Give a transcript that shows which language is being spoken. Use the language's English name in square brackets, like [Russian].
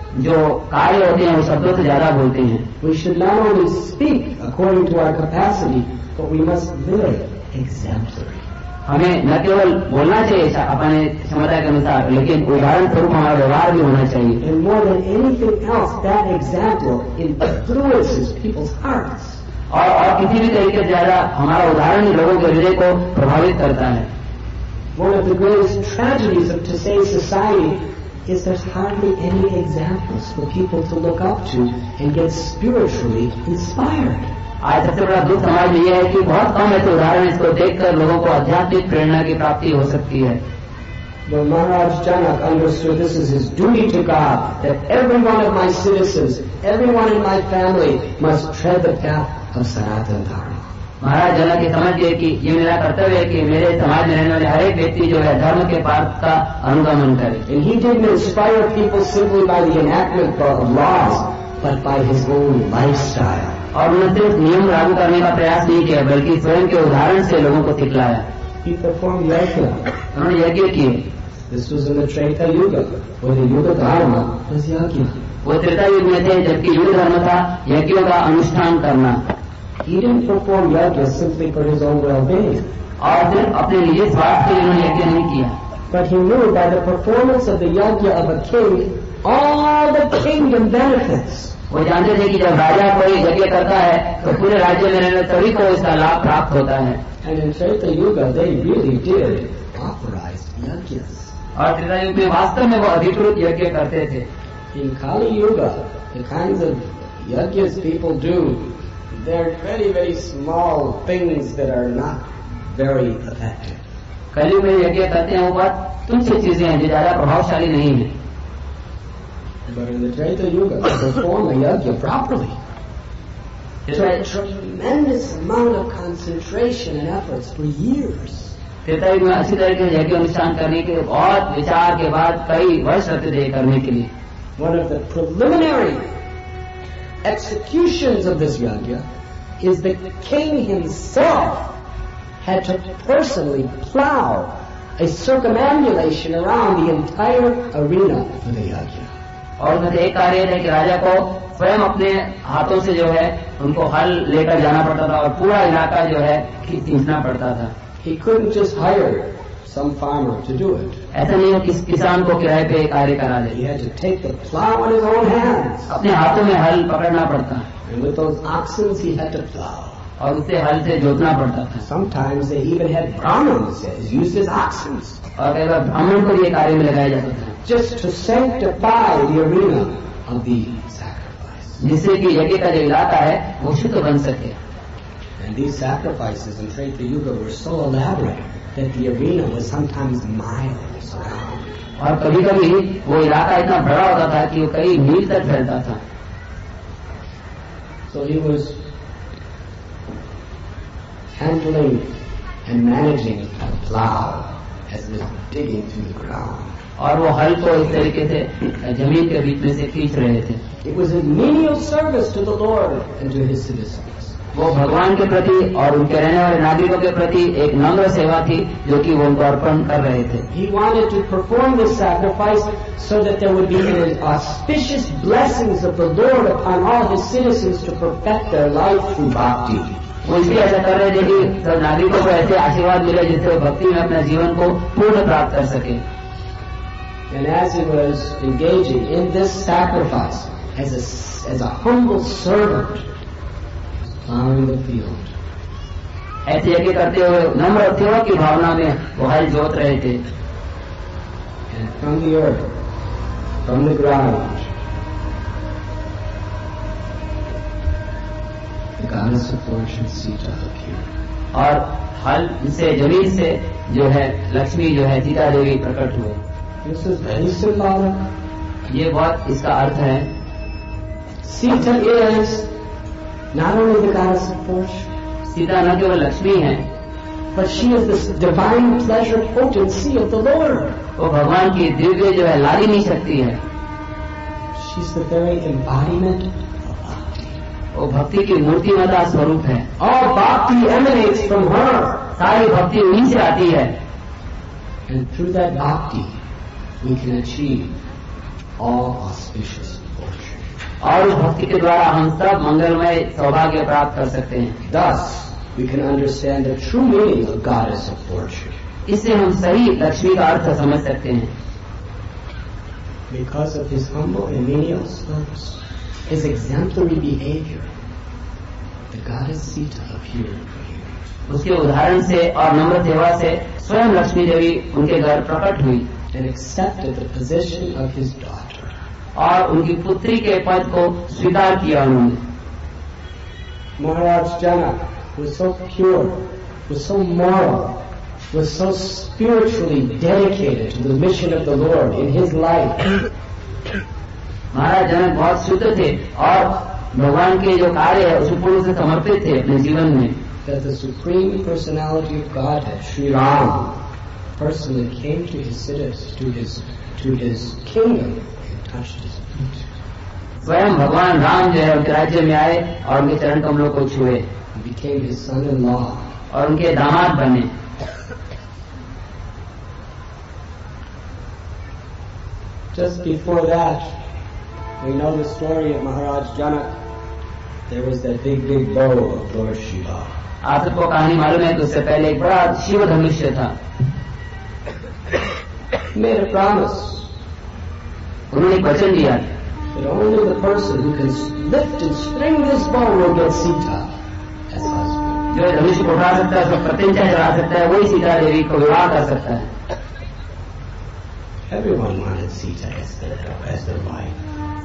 [Hindi] जो कार्य होते हैं वो शब्दों से ज्यादा बोलते हैं. [English] We should not only speak according to our capacity, but we must live exemplary. [Hindi] हमें न केवल बोलना चाहिए अपने क्षमता के अनुसार, लेकिन उदाहरण स्वरूप हमारा व्यवहार भी होना चाहिए. [English] And more than anything else, that example influences people's hearts. [Hindi] और किसी भी तरीके से ज्यादा हमारा उदाहरण लोगों के हृदय को प्रभावित करता है. [English] One of the greatest tragedies of today's society is there's hardly any examples for people to look up to and get spiritually inspired. [Hindi] आज सबसे बड़ा दुख समाज में यह है कि बहुत कम ऐसे उदाहरण इसको देखकर लोगों को आध्यात्मिक प्रेरणा की प्राप्ति हो सकती है. [English] The Maharaj Janak understood this is his duty to God, that every one of my citizens, everyone in my family must tread the path of Sanatan Dharma. [Hindi] महाराज जनक ये समझिए कि ये मेरा कर्तव्य है कि मेरे समाज में रहने वाले हर एक व्यक्ति जो है धर्म के पार्ग का अनुगमन करे. [English] And he didn't inspire people simply by the enactment of laws, but by his own lifestyle. [Hindi] और उन्होंने सिर्फ नियम लागू करने का प्रयास नहीं किया, बल्कि स्वयं के उदाहरण से लोगों को सिखलाया. [English] He performed yajna. [Hindi] उन्होंने यज्ञ किए. [English] This was in the Treta Yuga, where the Yuga Dharma was yajna. [Hindi] वो त्रेता युग में थे जबकि युग धर्म था यज्ञों का अनुष्ठान करना. [English] He didn't perform yajna simply for his own well-being. [Hindi] और फिर अपने लिए स्वार्थ के लिए उन्होंने यज्ञ नहीं किया. [English] But he knew by the performance of the yajna of a king, all the kingdom benefits. [Hindi] वो जानते थे कि जब राजा कोई यज्ञ करता है तो पूरे राज्य में रहने सभी को इसका लाभ प्राप्त होता है. [English] And in Treta Yuga, they really did authorize yajnas. [Hindi] और त्रेता युग में वास्तव में वो अधिकृत यज्ञ करते थे. [English] In Kali Yuga, the kinds of yajnas people do, they're very, very small things that are not very effective. [Hindi] कलयुग में यज्ञ करते हैं वो बात तुच्छ चीजें हैं जो ज्यादा प्रभावशाली नहीं है. [English] But in the Treta Yuga, perform a yajna properly. It took a tremendous amount of concentration and efforts for years. [Hindi] Treta युग में अच्छी तरीके से यज्ञ अनुष्ठान करने के बहुत विचार के बाद कई वर्ष लगते थे करने के लिए. [English] One of the preliminary executions of this yajna is that the king himself had to personally plow a circumambulation around the entire arena for the yajna. [Hindi] और उन्होंने एक कार्य है कि राजा को स्वयं अपने हाथों से जो है उनको हल लेकर जाना पड़ता था और पूरा इलाका जो है खींचना पड़ता था. [English] He couldn't just hire some farmer to do it. [Hindi] ऐसा नहीं कि किसान को किराए पे कार्य करा ले. [English] He had to take the plow in his own hands. [Hindi] अपने हाथों में हल पकड़ना पड़ता. [English] And with those oxen he had to plow. [Hindi] और उसे हल से जोतना पड़ता था. [English] Sometimes they even had Brahmins use his oxen. [Hindi] और कई बार ब्राह्मण को ये कार्य में लगाया जाता था. [English] Just to sanctify the arena of the sacrifice. [Hindi] जिससे कि यज्ञ का जो इलाका है वो शुद्ध बन सके. [English] And these sacrifices in Treta Yuga were so elaborate that the arena was sometimes miles around. [Hindi] और कभी कभी वो इलाका इतना बड़ा होता था कि वो कई मील तक फैलता था. [English] So he was handling and managing a plow as it was digging through the ground. [Hindi] और वो हल को इस तरीके से जमीन के बीच में से खींच रहे थे. [English] It was a menial service to the Lord and to his citizens. [Hindi] वो भगवान के प्रति और उनके रहने वाले नागरिकों के प्रति एक नम्र सेवा थी जो कि वो उनको अर्पण कर रहे थे. [English] He wanted to perform this sacrifice so that there would be the auspicious blessings of the Lord upon all his citizens to perfect their life through bhakti. [Hindi] वो इसलिए ऐसा कर रहे थे कि सब नागरिकों को ऐसे आशीर्वाद मिले जिससे वो भक्ति में अपने जीवन को पूर्ण प्राप्त कर सके. [English] And as he was engaging in this sacrifice as a humble servant, plowing the field. [Hindi] ऐसे यज्ञ करते हुए नम्र सेवा की भावना में वो हल जोत रहे थे. [English] And from the earth, from the ground, the goddess of fortune Sita appeared. [Hindi] और हल से जमीन से जो है लक्ष्मी जो है सीता देवी प्रकट हुए. [English] This is very symbolic. [Hindi] ये बात इसका अर्थ है. [English] Sita is not only the goddess of fortune. [Hindi] Sita न केवल लक्ष्मी है. [English] But she is the divine pleasure potency of the Lord. [Hindi] वो भगवान की दिव्य जो है लालिनी शक्ति है. [English] She is the very embodiment. [Hindi] वो भक्ति की मूर्तिमता स्वरूप है. [English] All bhakti emanates from her. [Hindi] सारी भक्ति उन्हीं से आती है. [English] And through that bhakti, we can achieve all auspicious fortune. [Hindi] और भक्ति के द्वारा हम सब मंगलमय सौभाग्य प्राप्त कर सकते हैं. [English] Thus, we can understand the true meaning of goddess of fortune. [Hindi] इससे हम सही लक्ष्मी का अर्थ समझ सकते हैं. [English] Because of his humble and menial service, his exemplary behavior, the goddess Sita appeared. [Hindi] उसके उदाहरण से और नम्र सेवा से स्वयं लक्ष्मी देवी उनके घर प्रकट हुई. [English] And accepted the position of his daughter. [Hindi] और उनकी पुत्री के पद को स्वीकार किया उन्होंने. [English] Maharaj Janak was so pure, was so moral, was so spiritually dedicated to the mission of the Lord in his life. [Hindi] Maharaj Janak बहुत शुद्ध थे और भगवान के जो कार्य है उसे पूर्ण से समर्पित थे अपने जीवन में. [English] That the supreme personality of Godhead, Sri Ram, personally came to his cities, to his kingdom and touched his feet. [Hindi] स्वयं भगवान राम जो है उनके राज्य में आए और उनके चरण कमलों को छुए. [English] Became his son-in-law. [Hindi] और उनके दामाद बने. [English] Just before that, we know the story of Maharaj Janak There was that big, big bow of Lord Shiva. [Hindi] आप सबको कहानी मालूम है कि उससे पहले एक बड़ा शिव धनुष था. [English] Made a promise. [Hindi] उन्होंने एक वचन दिया. [English] That only the person who can lift and string this bow will get Sita. [Hindi] जो धनुष को उठा सकता है, उसका प्रत्यंचा चला सकता है, वही सीता देवी को विवाह कर सकता है. [English] Everyone wanted Sita as their wife.